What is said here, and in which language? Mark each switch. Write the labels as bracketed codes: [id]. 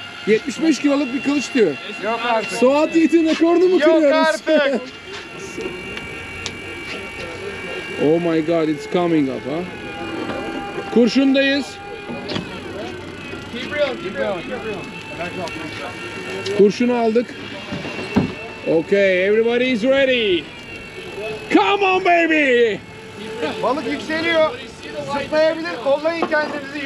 [tr] 75 kiloluk bir kılıç diyor. Yok artık. Suat Yiğit'in rekorunu mu kırıyoruz? Yok artık. [en] Oh my god, it's coming up, ha? [tr] Huh? Kurşundayız. [en] Keep real, keep real, keep real. [tr] Kurşunu aldık. [en] Okay, everybody is ready. Come on, baby! [tr] Balık yükseliyor. Sıplayabilir, kollayın kendinizi.